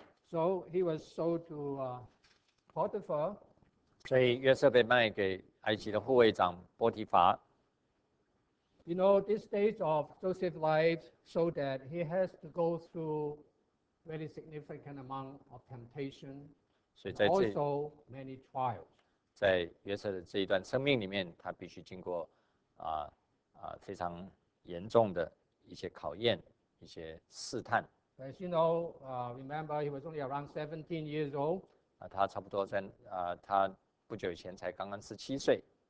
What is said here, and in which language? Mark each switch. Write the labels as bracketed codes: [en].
[en] So he was sold to Potiphar. [zh] 所以约瑟被卖给埃及的护卫长波提法。 [en] You know, this stage of Joseph's life showed that he has to go through very significant amount of temptation, also many trials. [zh] 在约瑟的这一段生命里面，他必须经过非常严重的一些考验、一些试探。 [en] As you know, remember he was only around 17 years old. [zh] 他差不多在他不久以前才刚刚17岁。